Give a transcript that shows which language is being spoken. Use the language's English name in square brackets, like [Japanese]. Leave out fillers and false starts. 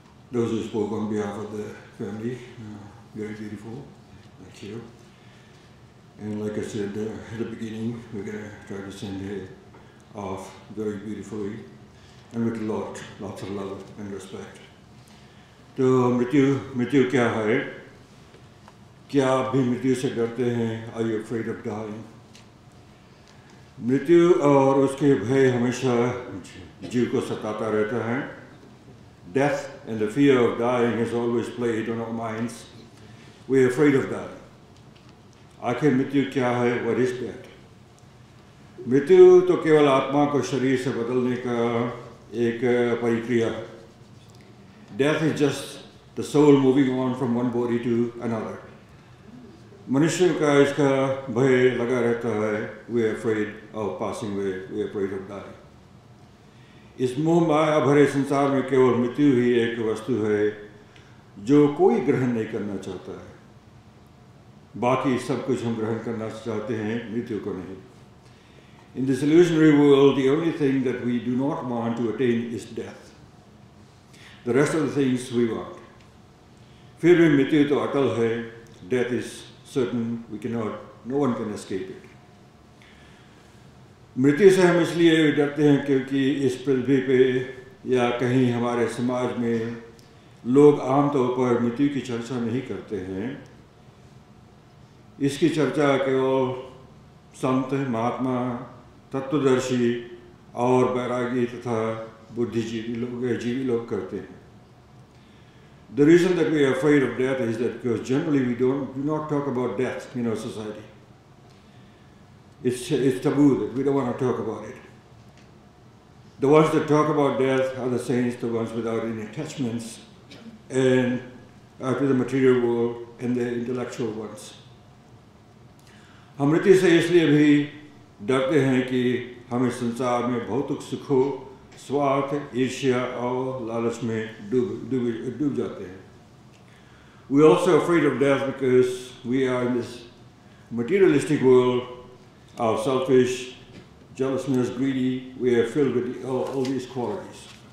[English] those who spoke on behalf of the family, very beautiful, thank you. And like I said at the beginning, we're going to try to send her off very beautifully and with lots of love and respect. [Hindi] तो मृत्यु मृत्यु क्या है क्या आप भी मृत्यु से डरते हैं [English] are you afraid of dying [Hindi] मृत्यु और उसके भय हमेशा जीव को सताता रहता है [English] death and the fear of dying [Hindi] has always played on our minds we are afraid of dying आखिर मृत्यु क्या है [English] what is that [Hindi] मृत्यु तो केवल आत्मा को शरीर से बदलने का एक प्रक्रिया [English] Death is just the soul moving on from one body to another. [Hindi] मनुष्य का इसका भय लगा रहता है [English] We are afraid of passing away, we are afraid of dying. [Hindi] इस मोह माया भरे संसार में केवल मृत्यु ही एक वस्तु है जो कोई ग्रहण नहीं करना चाहता है बाकी सब कुछ हम ग्रहण करना चाहते हैं मृत्यु को नहीं [English] In this illusionary world, the only thing that we do not want to attain is death. The rest of the things we want. [Hindi] फिर भी मृत्यु तो अटल है [English] death is certain, we cannot, no one can escape it. [Hindi] मृत्यु से हम इसलिए डरते हैं क्योंकि इस पृथ्वी पे या कहीं हमारे समाज में लोग आमतौर पर मृत्यु की चर्चा नहीं करते हैं इसकी चर्चा केवल संत महात्मा तत्वदर्शी और बैरागी तथा बुद्धिजीवी लोग जीवी लोग करते हैं [English] The reason that we are afraid of death is that because generally we do not talk about death in our society. It's taboo that we don't want to talk about it. The ones that talk about death are the saints, the ones without any attachments, and to the material world and the intellectual ones. [Hindi] हम मृत्यु से इसलिए भी डरते हैं कि हम इस संसार में भौतिक सुखों स्वार्थ ईर्ष्या और लालच में डूब जाते हैं [English] we also afraid of death because we are in this materialistic world our selfish jealousness greedy we are filled with all these qualities